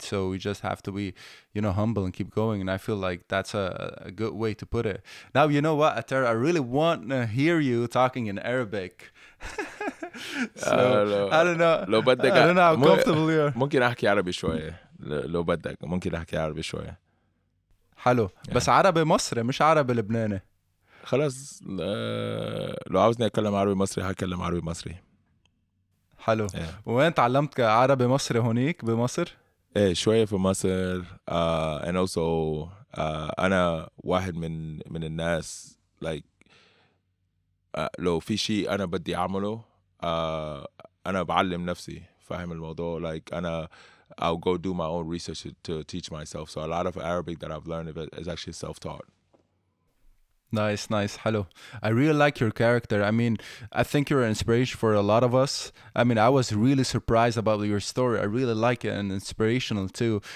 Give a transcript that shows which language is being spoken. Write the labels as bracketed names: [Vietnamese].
[English] So we just have to be, you know, humble and keep going. And I feel like that's a good way to put it. Now, you know what, Ater, I really want to hear you talking in Arabic. So, I don't know how comfortable you are. [Arabic] ممكن احكي عربي شوية لو بدك. ممكن احكي عربي شوية. حلو. بس عربي مصري مش عربي لبناني. خلاص. لو عاوزني اتكلم عربي مصري هتكلم عربي مصري. حلو. وين تعلمت عربي مصري هونيك بمصر؟ ايه شوية في مصر. [English] And also [Arabic] أنا واحد من الناس لو في شيء أنا بدي أعمله أنا بعلم نفسي. فاهم الموضوع؟ أنا [English] I'll go do my own research to teach myself. So a lot of Arabic that I've learned is actually self-taught. Nice, nice. Hello. I really like your character. I mean, I think you're an inspiration for a lot of us. I mean, I was really surprised about your story. I really like it, and inspirational too.